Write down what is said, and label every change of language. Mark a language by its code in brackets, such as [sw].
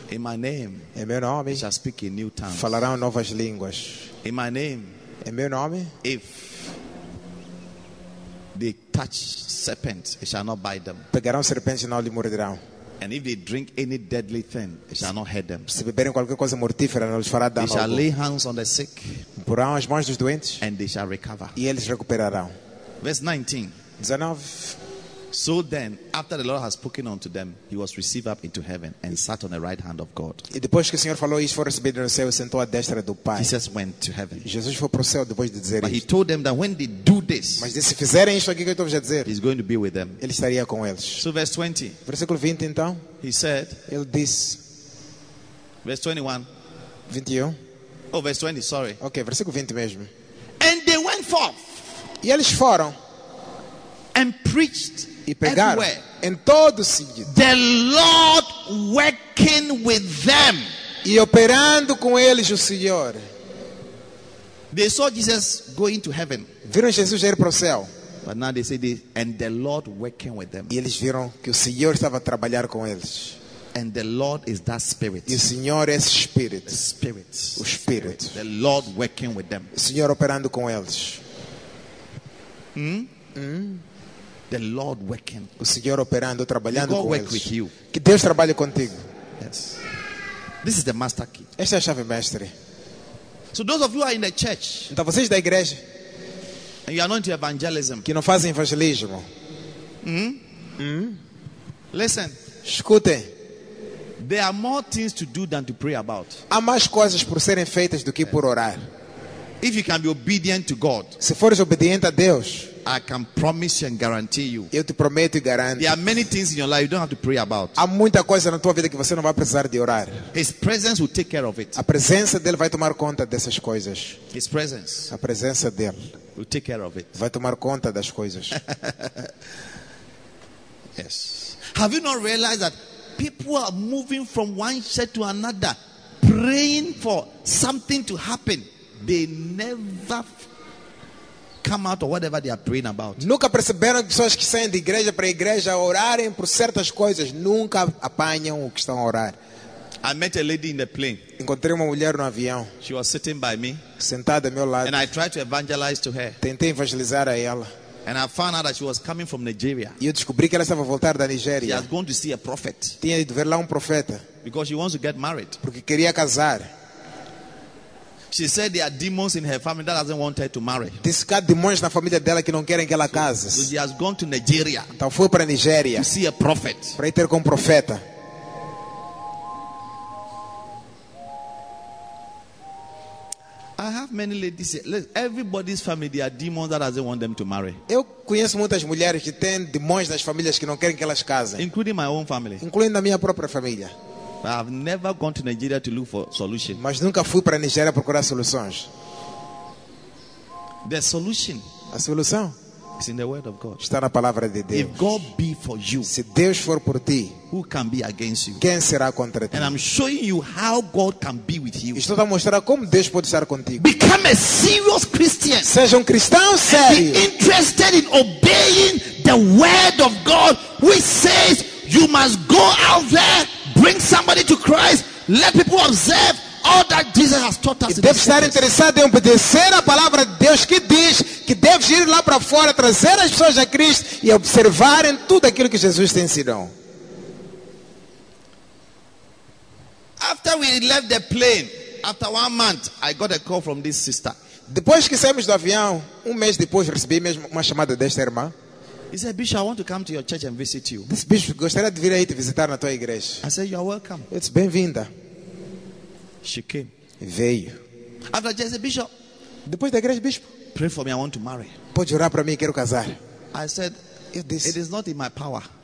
[en] In my name. [pt] Em meu nome. [en] They shall speak in new tongues. [pt] Falarão novas línguas. [en] In my name. [pt] Em meu nome. [en] If they touch serpents, it shall not bite them. [pt] Pegarão serpentes e não lhe morderão. [en] And if they drink any deadly thing, it shall not hurt them. [pt] Se beberem qualquer coisa mortífera, não lhes fará dano. [en] They shall lay hands on the sick. [pt] Porão as mãos dos doentes. [en] And they shall recover. [pt] E eles recuperarão. [en] Verse 19. [pt] 19. [en] So then, after the Lord has spoken unto them, he was received up into heaven and sat on the right hand of God. [pt] E depois que o Senhor falou isso, foi recebido no céu e sentou à destra do Pai. [en] Jesus went to heaven. [pt] Jesus foi para o céu depois de dizer isso. [en] But he told them that when they do this, [pt] mas disse, se fizerem isso aqui que eu estou a dizer, [en] he's going to be with them. [pt] Ele estaria com eles. [en] So verse 20. [pt] Versículo 20 então. [en] He said, [pt] ele disse. [en] Verse 21. [pt] 21. [en] Oh, verse 20, sorry. [pt] Ok, versículo 20 mesmo. [en] And they went forth. [pt] E eles foram. [en] And preached. [pt] E pegaram [en] everywhere, [pt] em todo o sítio. [en] The Lord working with them. [pt] E operando com eles o Senhor. [en] They saw Jesus going to heaven. [pt] Viram Jesus ir para o céu. [en] But now they say this, and the Lord working with them. [pt] E eles viram que o Senhor estava a trabalhar com eles. [en] And the Lord is that spirit. [pt] E o Senhor é esse espírito. [en] The spirit. [pt] O espírito. [en] The Lord working with them. [pt] O Senhor operando com eles. [en] The Lord working. [pt] O Senhor operando, trabalhando [en] God [pt] com [en] work [pt] eles. [en] With you. [pt] Que Deus trabalhe contigo. [en] Yes. This is the master key. [pt] Esta é a chave mestre. [en] So those of you are in the church. [pt] Então vocês da igreja. [en] And you are not into evangelism. [pt] Que não fazem evangelismo. [en] Listen. [pt] Escutem. [en] There are more things to do than to pray about. [pt] Há mais coisas por serem feitas do que por orar. [en] If you can be obedient to God. [pt] Se fores obediente a Deus. [en] I can promise you and guarantee you. [pt] Eu te prometo e garanto. [en] There are many things in your life you don't have to pray about. [pt] Há muita coisa na tua vida que você não vai precisar de orar. [en] His presence will take care of it. [pt] A presença dele vai tomar conta dessas coisas. [en] His presence. [pt] A presença dele. [en] Will take care of it. [pt] Vai tomar conta das coisas. [en] Yes. Have you not realized that people are moving from one church to another, praying for something to happen? They never come out or whatever they are praying about. [pt] Nunca perceberam que pessoas que saem de igreja para igreja orarem por certas coisas nunca apanham o que estão a orar. [en] I met a lady in the plane. [pt] Encontrei uma mulher no avião. [en] She was sitting by me. [pt] Sentada ao meu lado. [en] And I tried to evangelize to her. [pt] Tentei evangelizar a ela. [en] And I found out that she was coming from Nigeria. [pt] E eu descobri que ela estava a voltar da Nigéria. [en] She was going to see a prophet. [pt] Tinha ido ver lá um profeta. [en] Because she wants to get married. [pt] Porque queria casar. [en] She said there are demons in her family that doesn't want her to marry. [pt] Disse demônios na família dela que não querem que ela case. [en] So she has gone to Nigeria. [pt] Então foi para Nigéria. [en] To see a prophet. [pt] Para ir ter com um profeta. [en] I have many ladies. Look, everybody's family there are demons that doesn't want them to marry. [pt] Eu conheço muitas mulheres que têm demônios nas famílias que não querem que elas casem. [en] Including my own family. [pt] Incluindo a minha própria família. [en] I have never gone to Nigeria to look for solution. [pt] Mas nunca fui para Nigéria procurar soluções. [en] The solution. [pt] A solução. [en] It's in the word of God. [pt] Está na palavra de Deus. [en] If God be for you, [pt] se Deus for por ti, [en] who can be against you? [pt] Quem será contra ti? [en] And I'm showing you how God can be with you. [pt] Estou a mostrar como Deus pode estar contigo. [en] Become a serious Christian. [pt] Seja cristão sério. [en] And be interested in obeying the word of God, which says you must go out there, bring somebody to Christ, let people observe all that Jesus has taught us. [pt] Deve estar interessado em obedecer a palavra de Deus, que diz que deves ir lá para fora, trazer as pessoas a Cristo e observarem tudo aquilo que Jesus te ensinou. [en] After we left the plane, after 1 month, I got a call from this sister. [pt] Depois que saímos do avião, 1 mês depois recebi mesmo uma chamada desta irmã. [en] He said, Bishop, I want to come to your church and visit you. This [pt] bishop gostaria de vir aí te visitar na tua igreja. [en] I said, you are welcome. It's [pt] bem-vinda. [en] She came. [pt] Veio. [en] After that, I said, Bishop. [pt] Depois da igreja, bishop. [en] Pray for me, I want to marry. [pt] Pode orar para mim, quero casar. [en] I said, it is not in my power.